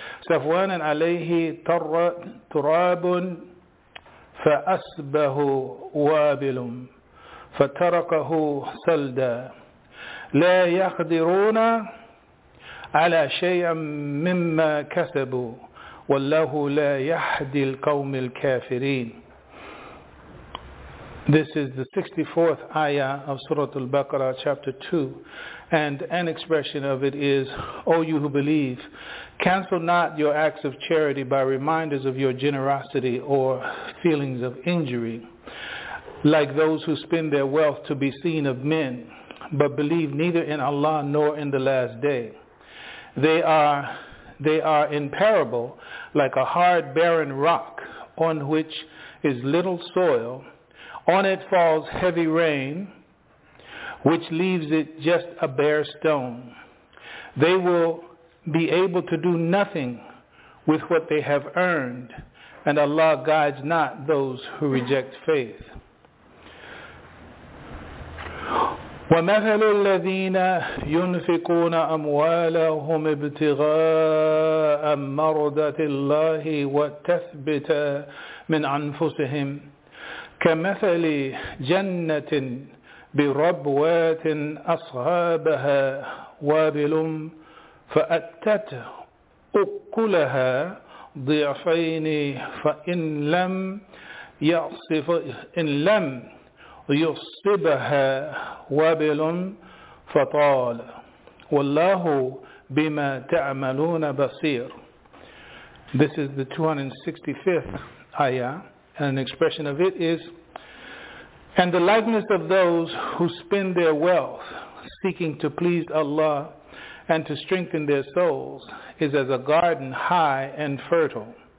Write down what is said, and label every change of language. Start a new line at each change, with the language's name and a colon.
Arabic: صفوان عليه تراب فأصبه وابل فتركه صلدا لا يقدرون على شيء مما كسبوا والله لا يهدي القوم الكافرين.
English: This is the 64th ayah of Surah Al-Baqarah, chapter 2, and an expression of it is, O you who believe, cancel not your acts of charity by reminders of your generosity or feelings of injury, like those who spend their wealth to be seen of men, but believe neither in Allah nor in the last day. They are in parable like a hard barren rock on which is little soil. On it falls heavy rain, which leaves it just a bare stone. They will be able to do nothing with what they have earned, and Allah guides not those who reject faith.
Arabic: ومثل الذين ينفقون أموالهم ابتغاء مرضات الله وتثبيتا من أنفسهم كمثل جنة بربوة أصحابها وابل فأتت أكلها ضعفين فإن لم يعصف إن لم يصبها وابل فطال والله بما تعملون بصير.
English: This is the 265th ayah, and an expression of it is, and the likeness of those who spend their wealth seeking to please Allah and to strengthen their souls is as a garden high and fertile.